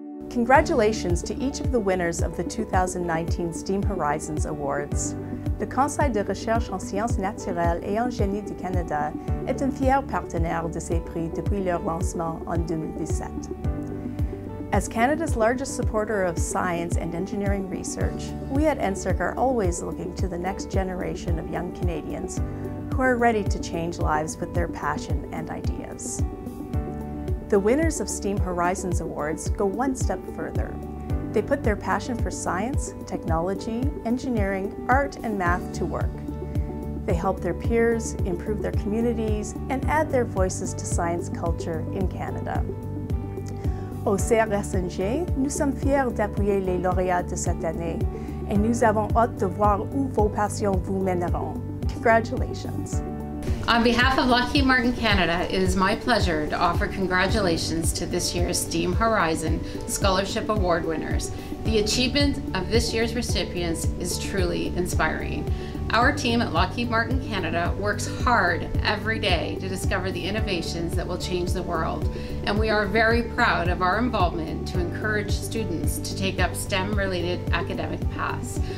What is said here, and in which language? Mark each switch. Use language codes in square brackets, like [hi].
[en] Congratulations to each of the winners of the 2019 STEAM Horizons Awards. [fr] Le Conseil de recherche en sciences naturelles et en génie du Canada est un fier partenaire de ces prix depuis leur lancement en 2017. [en] As Canada's largest supporter of science and engineering research, we at NSERC are always looking to the next generation of young Canadians who are ready to change lives with their passion and ideas. The winners of STEAM Horizons Awards go one step further. They put their passion for science, technology, engineering, art, and math to work. They help their peers, improve their communities, and add their voices to science culture in Canada. [fr] Au CRSNG, nous sommes fiers d'appuyer les lauréats de cette année et nous avons hâte de voir où vos passions vous mèneront. [en] Congratulations. On behalf of Lockheed Martin Canada, it is my pleasure to offer congratulations to this year's STEAM Horizon Scholarship Award winners. The achievement of this year's recipients is truly inspiring. Our team at Lockheed Martin Canada works hard every day to discover the innovations that will change the world, and we are very proud of our involvement to encourage students to take up STEM-related academic paths.